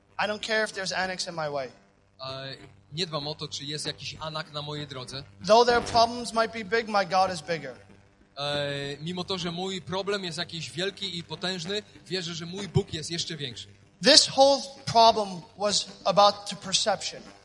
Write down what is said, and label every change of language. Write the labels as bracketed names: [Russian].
[English] I don't care if there's annex in my way. [Polish] Nie dbam o to, czy jest jakiś anak na mojej drodze. [English] Though their problems might be big, my God is bigger. [Polish] Mimo to, że mój problem jest jakiś wielki i potężny, wierzę, że mój Bóg jest jeszcze większy. [English] This whole problem was about the perception.